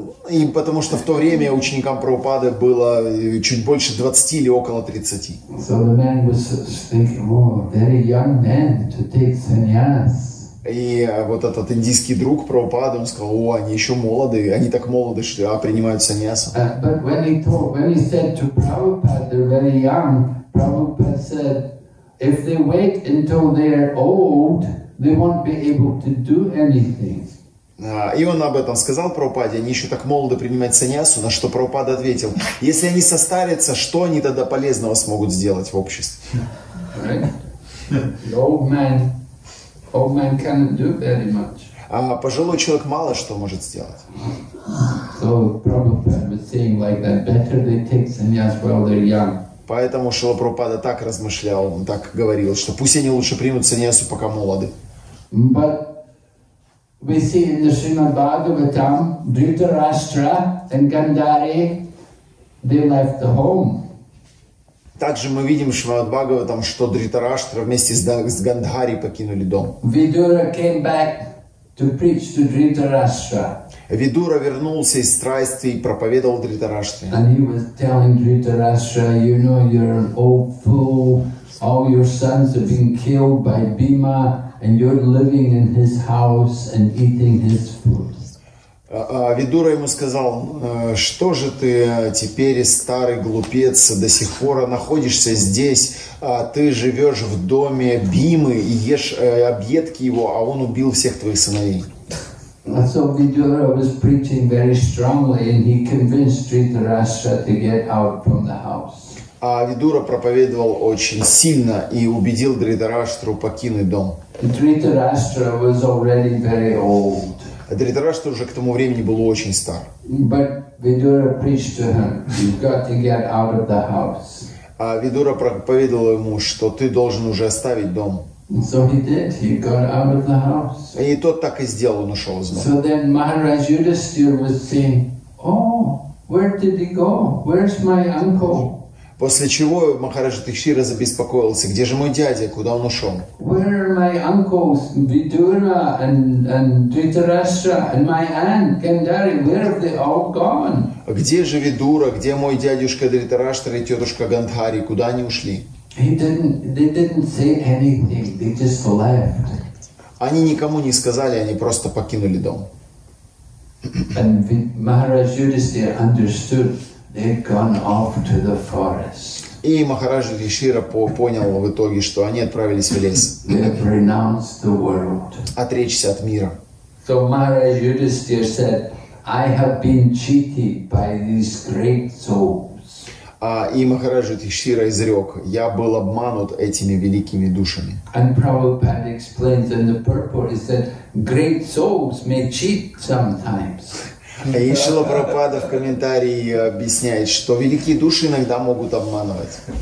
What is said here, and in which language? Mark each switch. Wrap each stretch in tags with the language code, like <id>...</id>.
<ru>И потому что в то время ученикам Прабхупады было чуть больше 20 или около 30.</ru> <en>So the man was thinking, oh, very young man to take sannyas.</en> <ru>И вот этот индийский друг Прабхупада, он сказал, о, они еще молодые, они так молоды, что принимают саньясу.</ru> <en>But when he said to Prabhupada, they're very young, Prabhupada said, if they wait until they're old, they won't be able to do anything.</en> <ru>И он об этом сказал Прабхупаде, они еще так молоды принимать саньясу, на что Прабхупада ответил, если они состарятся, что они тогда полезного смогут сделать в обществе?</ru> <en>Right? The old man. Old man cannot do very much.</en> <ru>Пожилой человек мало что может сделать.</ru> <en>So Prabhupada was saying like that, better they take sannyas while they're young.</en> <ru>Поэтому Шрила Прабхупада так размышлял, он так говорил, что пусть они лучше примут саньясу, пока молоды.</ru> <en>But we see in the Srimad Bhagavatam, Dhritarashtra and Gandhari, they left the home.</en> <ru>Также мы видим в Шримад Бхагаватам, что Дритараштра вместе с Гандхари покинули дом.</ru> <en>Видура came back to preach to Dhritarashtra.</en> <ru>Видура вернулся из страсти и проповедовал Дритараштре.</ru> <en>And he was telling Dhritarashtra, you know, you're an old fool. All your sons have been killed by Bhima, and you're living in his house and eating his food.</en> <ru>Видура ему сказал, что же ты теперь, старый глупец, до сих пор находишься здесь, ты живешь в доме Бхимы и ешь объедки его, а он убил всех твоих сыновей.</ru> <en>So Vidura was preaching very strongly and he convinced Dhritarashtra to get out from the house.</en> <ru>А Видура проповедовал очень сильно и убедил Дхритараштру покинуть дом.</ru> <en>Dhritarashtra was already very old.</en> <ru>Дхритарашта уже к тому времени был очень стар.</ru> <en>But Vidura preached to him, you've got to get out of the house.</en> <ru>А Видура проповедовал ему, что ты должен уже оставить дом.</ru> <en>So he did, he got out of the house.</en> <ru>И тот так и сделал, он ушел из дома.</ru> <en>So then Maharaj Yudhisthira was saying, oh, where did he go? Where's my uncle?</en> <ru>После чего Махарадж Юдхиштхира забеспокоился. Где же мой дядя? Куда он ушел?</ru> <en>Where are my uncles, Vidura and Dhritarashtra and my aunt, Gandhari? Where have they all gone?</en> <ru>Где же Видура? Где мой дядюшка Дхритараштра и тетушка Гандхари? Куда они ушли?</ru> <en>They didn't say anything. They just left.</en> <ru>Они никому не сказали, они просто покинули дом.</ru> <en>And Махарадж Юдхиштхира understood. They've gone off to the forest.</en> <ru>И Махарадж Юдхиштхира понял в итоге, что они отправились в лес.</ru> <en>They've renounced the world.</en> <ru>Отречься от мира.</ru> <en>So Махарадж Юдхиштхира said, I have been cheated by these great souls.</en> <ru>И Махарадж Юдхиштхира изрек, я был обманут этими великими душами.</ru> <en>And Prabhupada explains in the purport is that great souls may cheat sometimes.</en> <ru>И Шрила Прабхупада в комментарии объясняет, что великие души иногда могут обманывать.</ru>